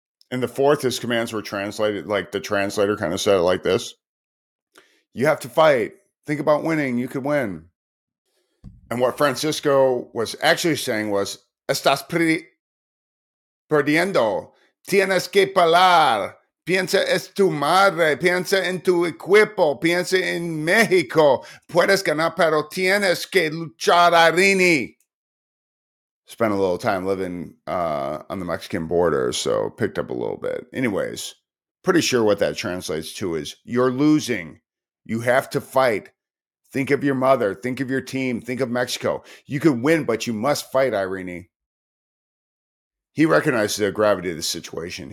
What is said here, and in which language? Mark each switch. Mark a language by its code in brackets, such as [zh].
[en] In the fourth, his commands were translated, like the translator kind of said it like this. You have to fight. Think about winning. You could win. And what Francisco was actually saying was, [es] estás perdiendo. Tienes que parar. Piensa en tu madre, piensa en tu equipo, piensa en México. Puedes ganar, pero tienes que luchar, Irene. [en] Spent a little time living on the Mexican border, so picked up a little bit. Anyways, pretty sure what that translates to is you're losing. You have to fight. Think of your mother. Think of your team. Think of Mexico. You could win, but you must fight, Irene. He recognized the gravity of the situation.